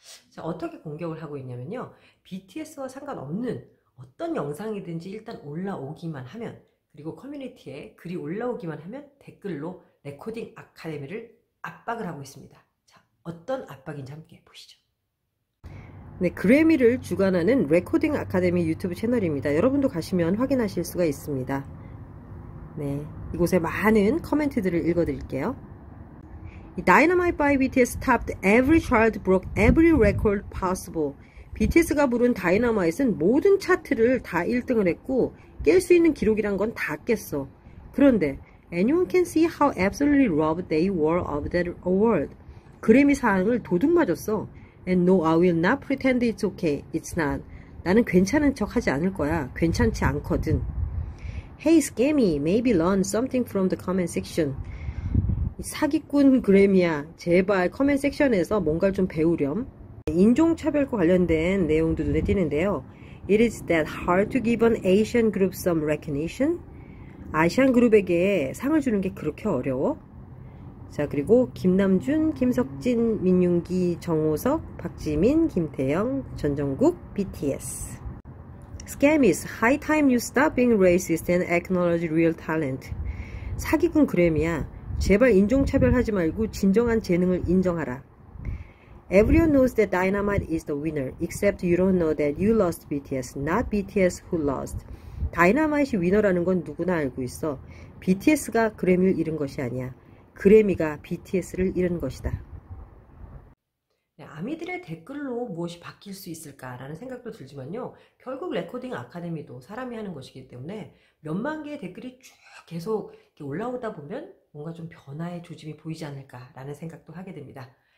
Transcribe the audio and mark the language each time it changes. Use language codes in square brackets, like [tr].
[ko] 자, 어떻게 공격을 하고 있냐면요, BTS와 상관없는 어떤 영상이든지 일단 올라오기만 하면, 그리고 커뮤니티에 글이 올라오기만 하면 댓글로 레코딩 아카데미를 압박을 하고 있습니다. 자, 어떤 압박인지 함께 보시죠. 네, 그래미를 주관하는 레코딩 아카데미 유튜브 채널입니다. 여러분도 가시면 확인하실 수가 있습니다. 네, 이곳에 많은 코멘트들을 읽어드릴게요. [en] Dynamite by BTS topped every chart, broke every record possible. [ko] BTS가 부른 Dynamite은 모든 차트를 다 1등을 했고 깰 수 있는 기록이란 건 다 깼어. 그런데 [en] anyone can see how absolutely robbed they were of that award. [ko] 그래미 사항을 도둑맞았어. [en] And no, I will not pretend it's okay. It's not. [ko] 나는 괜찮은 척 하지 않을 거야. 괜찮지 않거든. [en] Hey, scammy. Maybe learn something from the comment section. [ko] 사기꾼 그래미야. 제발 comment section에서 뭔가를 좀 배우렴. 인종차별과 관련된 내용도 눈에 띄는데요. [en] It is that hard to give an Asian group some recognition? [ko] 아시안 그룹에게 상을 주는 게 그렇게 어려워? 자, 그리고 김남준, 김석진, 민윤기, 정호석, 박지민, 김태영, 전정국, BTS. [en] Scammies, high time you stop being racist and acknowledge real talent. [ko] 사기꾼 그래미야, 제발 인종차별하지 말고 진정한 재능을 인정하라. [en] Everyone knows that Dynamite is the winner, except you don't know that you lost BTS, not BTS who lost. [ko] Dynamite이 위너라는 건 누구나 알고 있어. BTS가 그래미를 잃은 것이 아니야. 그래미가 BTS를 잃은 것이다. 네, 아미들의 댓글로 무엇이 바뀔 수 있을까라는 생각도 들지만요, 결국 레코딩 아카데미도 사람이 하는 것이기 때문에 몇만 개의 댓글이 쭉 계속 이렇게 올라오다 보면 뭔가 좀 변화의 조짐이 보이지 않을까라는 생각도 하게 됩니다.